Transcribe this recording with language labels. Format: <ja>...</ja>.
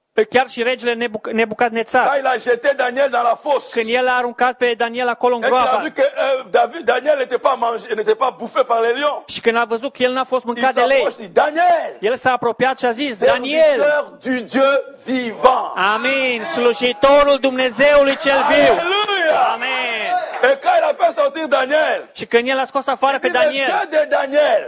<ro>Chiar și regele Nebucadnețar. Când l-a jetat Daniel</ro> <fr>dans la fosse.</fr> <ro>Când el a aruncat pe Daniel acolo în groapă.</ro> <fr>David, Daniel n'était pas mangé, n'était pas bouffé par les lions.</fr> <ro>Și când a văzut că el n-a fost mâncat de lei. El s-a apropiat și a zis: Daniel,</ro> <fr>serviteur du Dieu vivant.</fr> <ro>Amin, slujitorul Dumnezeului cel viu. Amen.</ro> <fr>Et quand il a fait sortir Daniel.</fr> <ro>Și când el a scos afară pe Daniel.</ro> <fr>Dieu de Daniel.</fr>